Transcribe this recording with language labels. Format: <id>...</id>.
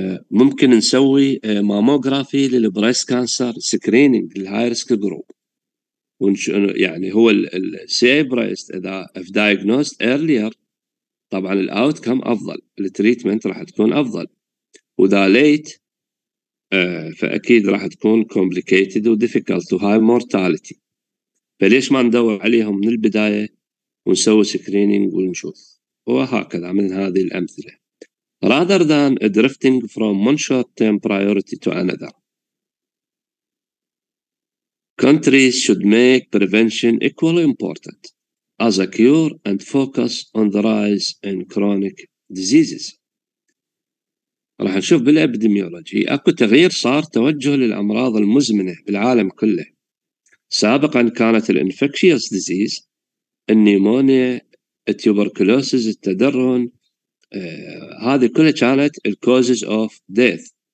<ar>ممكن نسوي ماموغرافي للبريست كانسر سكرينينج للهاي ريسك جروب، يعني هو</ar> <en>السي A breast اذا if diagnosed earlier</en> <ar>طبعا الاوتكم افضل، التريتمنت راح تكون افضل، واذا ليت فاكيد راح تكون كومبليكيتد وديفيكلت وهاي مورتاليتي. فليش ما ندور عليهم من البدايه ونسوي سكرينينج ونشوف وهكذا من هذه الأمثلة</ar> <en>rather than drifting from one short-term priority to another. Countries should make prevention equally important as a cure and focus on the rise in chronic diseases.</en> <ar>راح نشوف بالأبديميولوجي أكو تغيير صار توجه للأمراض المزمنة بالعالم كله. سابقا كانت الانفكشيوس ديزيز النيمونيا التوبركلوسيس التدرن هذه كلها كانت الكوزز اوف ديث.</ar>